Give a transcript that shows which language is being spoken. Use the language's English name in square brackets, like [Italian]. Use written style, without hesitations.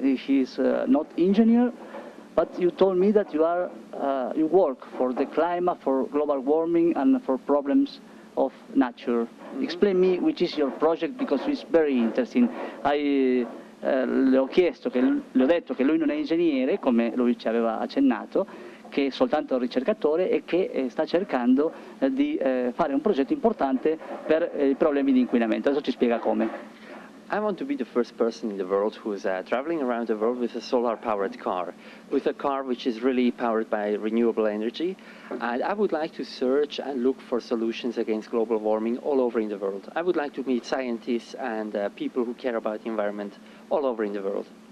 [English] He is not engineer, but you told me that you are you work for the climate, for global warming and for problems of nature. Mm-hmm. Explain me which is your project, because it's very interesting. [Italian] Le ho detto che lui non è ingegnere, come lui ci aveva accennato, che è soltanto un ricercatore e che sta cercando di fare un progetto importante per i problemi di inquinamento. Adesso ci spiega come. [English] I want to be the first person in the world who is traveling around the world with a solar-powered car, with a car which is really powered by renewable energy. And I would like to search and look for solutions against global warming all over in the world. I would like to meet scientists and people who care about the environment all over in the world.